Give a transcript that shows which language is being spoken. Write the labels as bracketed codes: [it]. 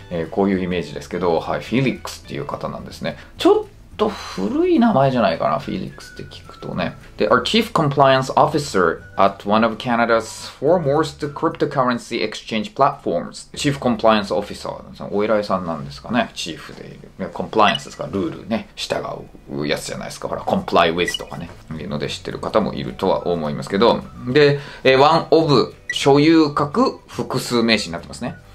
[ja] こういうイメージですけど、はい、Felix っていう方なんですね。ちょっと古い名前じゃないかな、Felix って聞くとね。 [en] で、Our Chief Compliance Officer at one of Canada's foremost cryptocurrency exchange platforms. [ja] Chief Compliance Officer、お偉いさんなんですかね、Chief でいる。 Compliance ですか、ルールね、従うやつじゃないですか、ほら、Comply with とかね、いうので知ってる方もいるとは思いますけど。で、One of 所有格複数名詞になってますね。